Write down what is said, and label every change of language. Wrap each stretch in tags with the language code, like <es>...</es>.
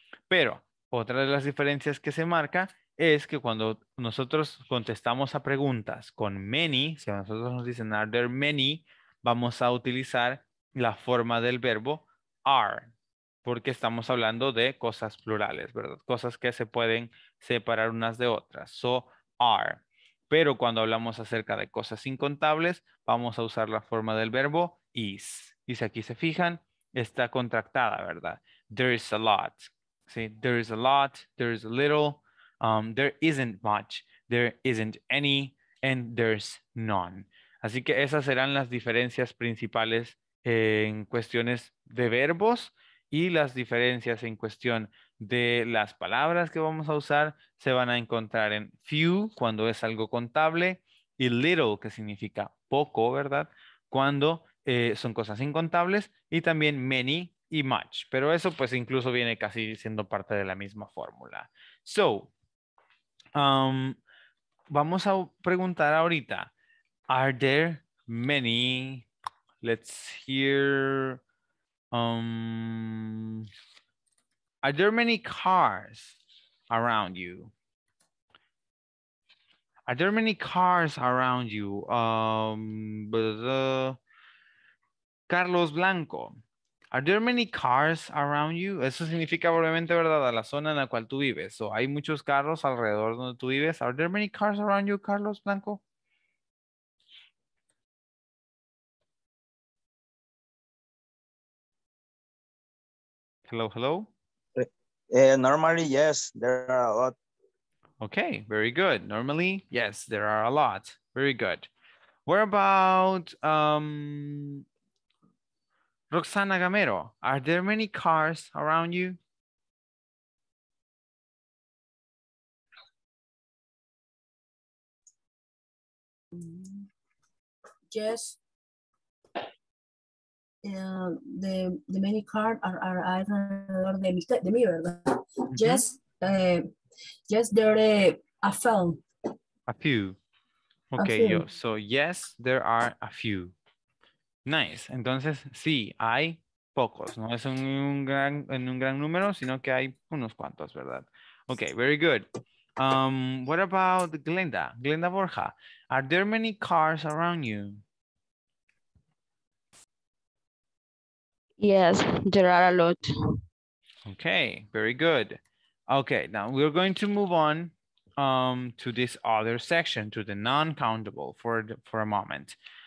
<es>Pero otra de las diferencias que se marca es que cuando nosotros contestamos a preguntas con many, si nosotros nos dicen</es> <en>are there many,</en> <es>vamos a utilizar la forma del verbo are, porque estamos hablando de cosas plurales, ¿verdad? Cosas que se pueden separar unas de otras, so are. Pero cuando hablamos acerca de cosas incontables, vamos a usar la forma del verbo is. Y si aquí se fijan, está contractada, ¿verdad?</es> <en>There is a lot, ¿sí? There is a lot, there is a little, there isn't much, there isn't any, and there's none.</en> <es>Así que esas serán las diferencias principales en cuestiones de verbos y las diferencias en cuestión de las palabras que vamos a usar se van a encontrar en few, cuando es algo contable, y little, que significa poco, ¿verdad? Cuando son cosas incontables, y también many y much. Pero eso pues incluso viene casi siendo parte de la misma fórmula. So, vamos a preguntar ahorita,</es> <en>are there many... Let's hear, are there many cars around you? Are there many cars around you? Carlos Blanco, are there many cars around you?</en> <es>Eso significa probablemente, ¿verdad?, a la zona en la cual tú vives. So, hay muchos carros alrededor donde tú vives.</es> <en>Are there many cars around you, Carlos Blanco? Hello, hello. Normally, yes, there are a lot. Okay, very good. Normally, yes, there are a lot. Very good. What about Roxana Gamero? Are there many cars around you? Yes. The many cars are</en> <es>alrededor de mí, ¿verdad?</es> <en>Mm-hmm. Yes, yes, there are a few. A few. Okay, a few. Yo. So yes, there are a few. Nice.</en> <es>Entonces, sí, hay pocos. No es en un gran número, sino que hay unos cuantos, ¿verdad?</es> <en>Okay, very good. What about Glenda? Glenda Borja, are there many cars around you? Yes, there are a lot. Okay, very good. Okay, now we're going to move on to this other section, to the non-countable for a moment.</en>